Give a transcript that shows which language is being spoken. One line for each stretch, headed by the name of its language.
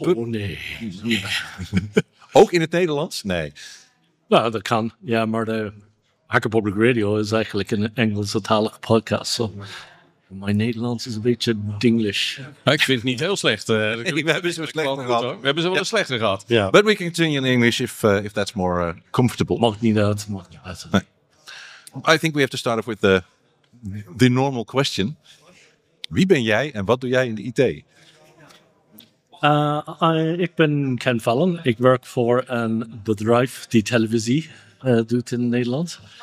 Dutch: Nee. Ook in het Nederlands? Nee. Nou, dat kan. Ja, maar de Hacker Public Radio is eigenlijk een Engelstalige podcast. So. Mijn Nederlands is een beetje dinglish. Ja, ik vind het niet heel slecht. We hebben ze wel een slechter gehad.
English: Yeah. But we can continue in English if that's more comfortable.
Dutch: Mag niet uit.
English: I think we have to start off with the normal question.
Dutch: Wie ben jij en wat doe jij in de IT? Ik ben Ken Fallon. Ik werk voor een bedrijf die televisie doet in Nederland.